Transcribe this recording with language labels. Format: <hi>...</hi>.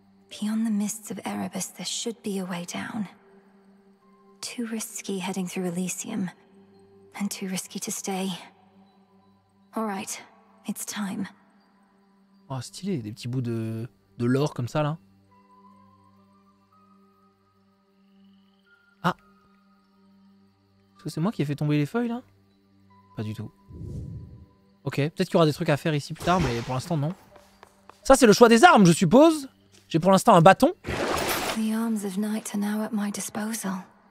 <en>Beyond the mists of Erebus, there should be a way down. Too risky heading through Elysium, and too risky to stay. All right, it's time.</en> <fr>Oh, stylé, des petits bouts de lore comme ça là. Ah, est-ce que c'est moi qui ai fait tomber les feuilles là? Pas du tout. Ok, peut-être qu'il y aura des trucs à faire ici plus tard, mais pour l'instant non. Ça c'est le choix des armes, je suppose. J'ai pour l'instant un bâton.</fr> <en>The arms of night are now at my disposal.</en>